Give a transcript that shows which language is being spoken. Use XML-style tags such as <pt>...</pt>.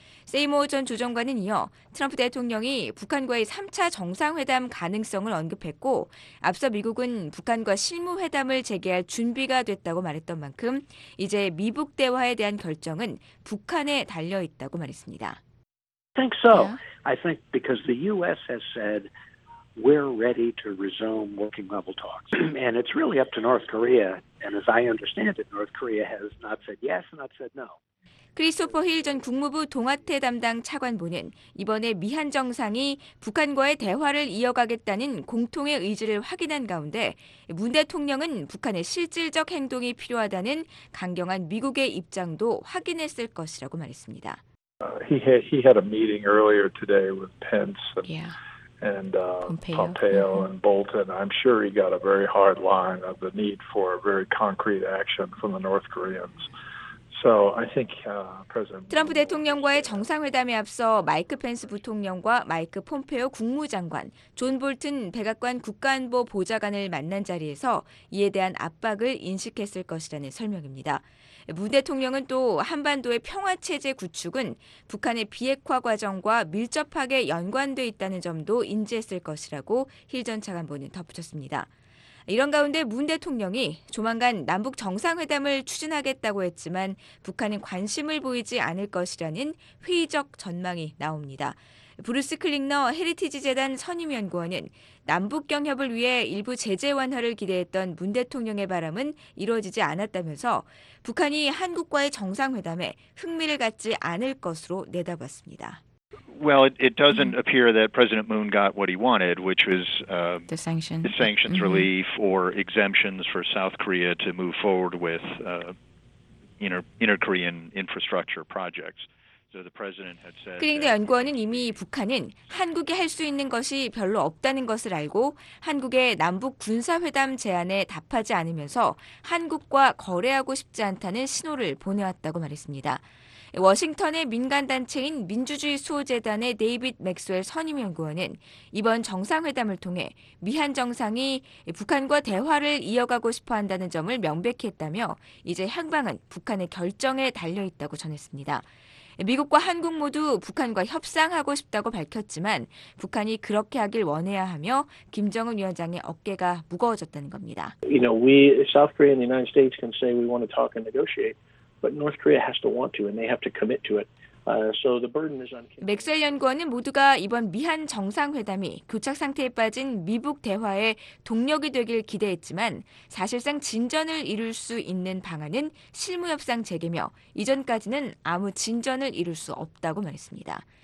<ko>세이머 전 조정관은 이어 트럼프 대통령이 북한과의 3차 정상회담 가능성을 언급했고 앞서 미국은 북한과 실무회담을 재개할 준비가 됐다고 말했던 만큼 이제 미북 대화에 대한 결정은 북한에 달려있다고 말했습니다.</ko> <en>I think so. I think because the U.S. has said We're ready to resume working level talks. And it's really up to North Korea. And as I understand it, North Korea has not said yes, not said no.</en> <ko>크리스토퍼 힐 전 국무부 동아태 담당 차관보는 이번에 미한 정상이 북한과의 대화를 이어가겠다는 공통의 의지를 확인한 가운데 문 대통령은 북한의 실질적 행동이 필요하다는 강경한 미국의 입장도 확인했을 것이라고 말했습니다.</ko> <en>He had a meeting earlier today with Pence. And... Yeah. And Pompeo and Bolton, I'm sure he got a very hard line of the need for a very concrete action from the North Koreans. So I think President</en> <ko>트럼프 대통령과의 정상회담에 앞서 마이크 펜스 부통령과 마이크 폼페오 국무장관, 존 볼튼 백악관 국가안보 보좌관을 만난 자리에서 이에 대한 압박을 인식했을 것이라는 설명입니다. 문 대통령은 또 한반도의 평화체제 구축은 북한의 비핵화 과정과 밀접하게 연관돼 있다는 점도 인지했을 것이라고 힐 전 차관보는 덧붙였습니다. 이런 가운데 문 대통령이 조만간 남북 정상회담을 추진하겠다고 했지만 북한은 관심을 보이지 않을 것이라는 회의적 전망이 나옵니다. 브루스 클링너 헤리티지 재단 선임연구원은 남북 경협을 위해 일부 제재 완화를 기대했던 문 대통령의 바람은 이루어지지 않았다면서 북한이 한국과의 정상회담에 흥미를 갖지 않을 것으로 내다봤습니다.</ko> <en>Well, it doesn't appear that President Moon got what he wanted, which was the sanctions mm-hmm. relief or exemptions for South Korea to move forward with inter-Korean infrastructure projects.</en> <ko>그린데 연구원은 이미 북한은 한국이 할 수 있는 것이 별로 없다는 것을 알고 한국의 남북 군사회담 제안에 답하지 않으면서 한국과 거래하고 싶지 않다는 신호를 보내왔다고 말했습니다. 워싱턴의 민간단체인 민주주의 수호재단의 데이비드 맥스웰 선임연구원은 이번 정상회담을 통해 미한 정상이 북한과 대화를 이어가고 싶어 한다는 점을 명백히 했다며 이제 향방은 북한의 결정에 달려있다고 전했습니다. 미국과 한국 모두 북한과 협상하고 싶다고 밝혔지만 북한이 그렇게 하길 원해야 하며 김정은 위원장의 어깨가 무거워졌다는 겁니다.</ko> <en>You know, we South Korea and the United States can say we want to talk and negotiate, but North Korea has to want to and they have to commit to it. So the burden is on.</en> <ko>맥스웰 연구원은 모두가 이번 미한 정상회담이 교착 상태에 빠진 미북 대화의 동력이 되길 기대했지만 사실상 진전을 이룰 수 있는 방안은 실무 협상 재개며 이전까지는 아무 진전을 이룰 수 없다고 말했습니다.</ko>